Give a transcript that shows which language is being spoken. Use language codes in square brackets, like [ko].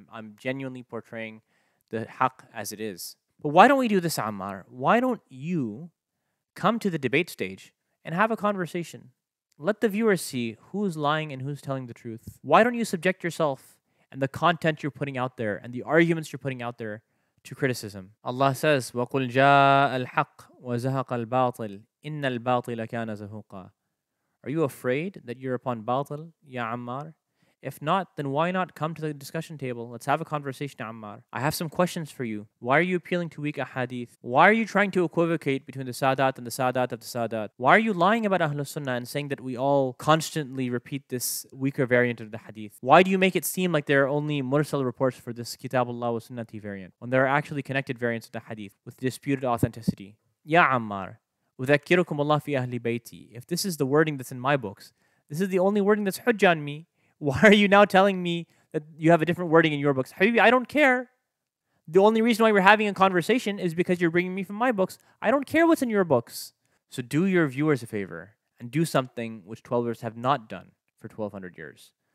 [en] I'm genuinely portraying the haq as it is. But why don't we do this, Ammar? Why don't you come to the debate stage and have a conversation? Let the viewers see who's lying and who's telling the truth. Why don't you subject yourself and the content you're putting out there and the arguments you're putting out there to criticism? Allah says, [ar] وَقُلْ جَاءَ الْحَقِّ وَزَهَقَ الْبَاطِلِ إِنَّ الْبَاطِلَ كَانَ زَهُقًا. [en] Are you afraid that you're upon batil, Ya Ammar? If not, then why not come to the discussion table? Let's have a conversation, Ammar. I have some questions for you. Why are you appealing to weak ahadith? Why are you trying to equivocate between the Sadat and the Sadat of the Sadat? Why are you lying about Ahlul Sunnah and saying that we all constantly repeat this weaker variant of the hadith? Why do you make it seem like there are only mursal reports for this Kitabullah wa Sunnati variant when there are actually connected variants of the hadith with disputed authenticity? [ar] Ya Ammar, وذكركم الله في أهل بيتي. [en] If this is the wording that's in my books, this is the only wording that's hujja on me, why are you now telling me that you have a different wording in your books? Habibi, I don't care. The only reason why we're having a conversation is because you're bringing me from my books. I don't care what's in your books. So do your viewers a favor and do something which 12ers have not done for 1200 years.